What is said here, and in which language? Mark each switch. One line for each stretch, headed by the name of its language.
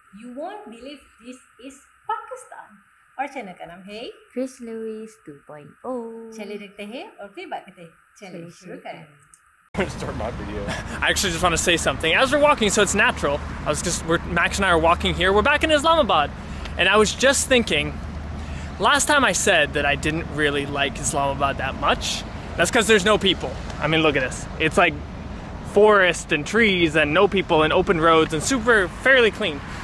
English: You won't believe this is Pakistan।
Hindi: और channel का नाम है Chris Lewis 2.0। चलिए देखते हैं और फिर बात करते हैं। चलिए शुरू करें।
English: Start my video. I actually just want to say something. As we're walking, so it's natural. Max and I are walking here. We're back in Islamabad. And I was just thinking, last time I said that I didn't really like Islamabad that much. That's because there's no people. I mean, look at this. It's like forest and trees and no people and open roads and super fairly clean.